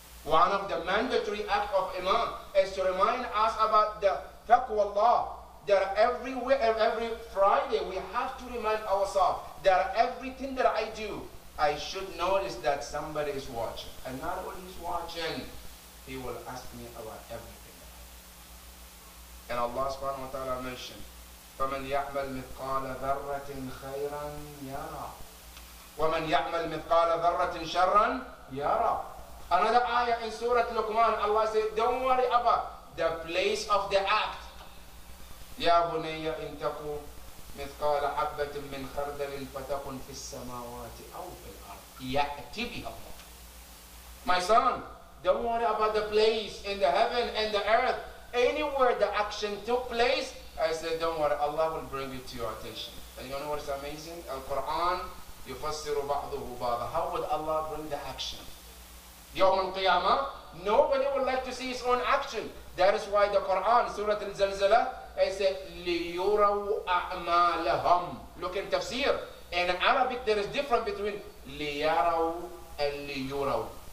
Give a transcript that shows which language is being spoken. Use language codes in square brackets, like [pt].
[en] One of the mandatory acts of iman is to remind us about the taqwa Allah. That every Friday we have to remind ourselves that everything that I do, I should notice that somebody is watching. And not only is watching, he will ask me about everything. And Allah subhanahu wa ta'ala mentioned, [ar] فَمَنْ يَعْمَلْ مِثْقَالَ ذَرَّةٍ خَيْرًا يَرَى وَمَنْ يَعْمَلْ مِثْقَالَ ذَرَّةٍ شَرًّا يَرَى. [en] Another ayah in Surah Luqman, Allah said, don't worry about the place of the act. [ar] يَا بُنَيَّ إِنْ تَقُوا مثقال حبة من خردل فتكن في السماوات أو في الأرض يأتي بها الله. [en] My son, don't worry about the place in the heaven and the earth. Anywhere the action took place, I said, don't worry, Allah will bring it to your attention. And you know what's amazing? [ar] Al Quran, يفسر بعضه بعضا. [en] How would Allah bring the action? [ar] يوم القيامة, [en] nobody would like to see his own action. That is why the Quran, Surah Al-Zalzalah, I said, [ar] لِيُرَوْ أَعْمَالَهُمْ. [en] Look in tafsir. In Arabic, there is difference between لِيَرَوْ and لِيُرَوْ.